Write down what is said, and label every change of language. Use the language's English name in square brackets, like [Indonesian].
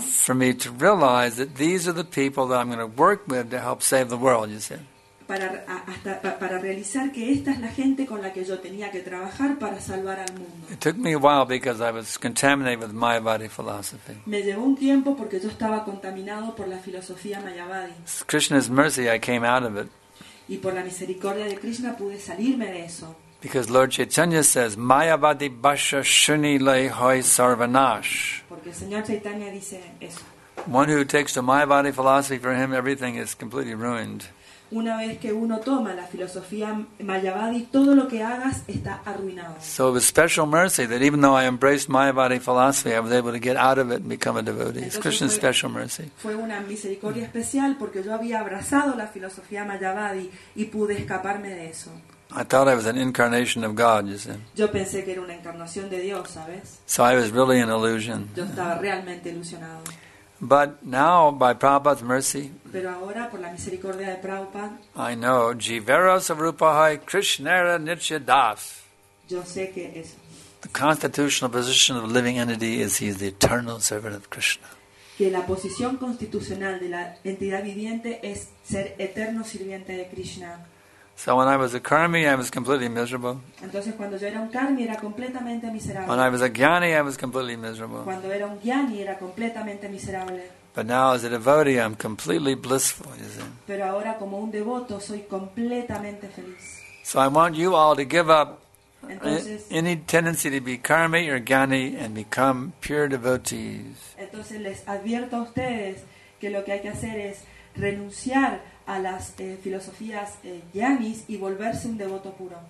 [English] For me to realize that these are the people that I'm going to work with to help save the world, you see. [Spanish] Para realizar que esta es la gente con la que yo tenía que trabajar para salvar al mundo. [English] It took me a while because I was contaminated with Mayavadi philosophy. [Spanish] Me llevó un tiempo porque yo estaba contaminado por la filosofía Mayavadi. [English] With Krishna's mercy, I came out of it. [Spanish] Y por la misericordia de Krishna pude salirme de eso. [English] Because Lord Chaitanya says, [Bangla] Mayavadi basha shuni lai hoy sarvanash. [Spanish] Porque el Señor Chaitanya dice eso. [English] One who takes to Mayavadi philosophy, for him everything is completely ruined. [Spanish] Una vez que uno toma la filosofía Mayavadi, todo lo que hagas está arruinado. [English] So it was special mercy that even though I embraced Mayavadi philosophy, I was able to get out of it and become a devotee. It's Krishna's special mercy. [Spanish] Fue una misericordia especial porque yo había abrazado la filosofía Mayavadi y pude escaparme de eso. [English] I thought I was an incarnation of God, you see. [Spanish] Yo pensé que era una encarnación de Dios, ¿sabes? [English] So I was really an illusion. [Spanish] Yo estaba realmente ilusionado. [English] But now, by Prabhupada's mercy, [Spanish] pero ahora, por la misericordia de Prabhupada, [English] I know [Bangla] Jivera Sarupahai Krishnara Nitya Das. [Spanish] Yo sé que es, [English] the constitutional position of a living entity is he is the eternal servant of Krishna. [Spanish] Que la posición constitucional de la entidad viviente es ser eterno sirviente de Krishna. [English] So when I was a karmi, I was completely miserable. [Spanish] Entonces, cuando yo era un karmi, era completamente miserable. [English] When I was a gyani, I was completely miserable. [Spanish] Cuando era un gyani, era completamente miserable. [English] But now as a devotee, I'm completely blissful, you see. [Spanish] Pero ahora, como un devoto, soy completamente feliz. [English] So I want you all to give up any tendency to be karmi or gyani and become pure devotees. [Spanish] Entonces les advierto a ustedes que lo que hay que hacer es renunciar a las filosofías yanis y volverse un devoto puro.